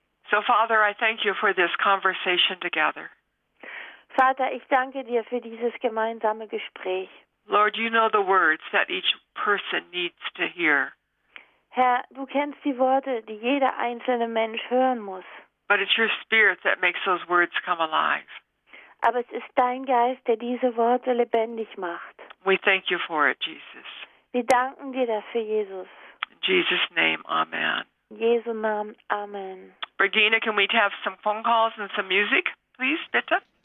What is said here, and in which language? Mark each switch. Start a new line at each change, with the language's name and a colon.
English: So, Father, I thank you for this conversation together.
German: Vater, ich danke dir für dieses gemeinsame Gespräch.
English: Lord, you know the words that each person needs to hear.
German: Herr, du kennst die Worte, die jeder einzelne Mensch hören muss.
English: But it's your spirit that makes those words come alive.
German: Aber es ist dein Geist, der diese Worte lebendig macht.
English: We thank you for it, Jesus.
German: Wir danken dir dafür, Jesus.
English: In Jesus' name, Amen.
German: Jesu Namen, Amen.
English: Regina, can we have some phone calls and some music, please, bitte?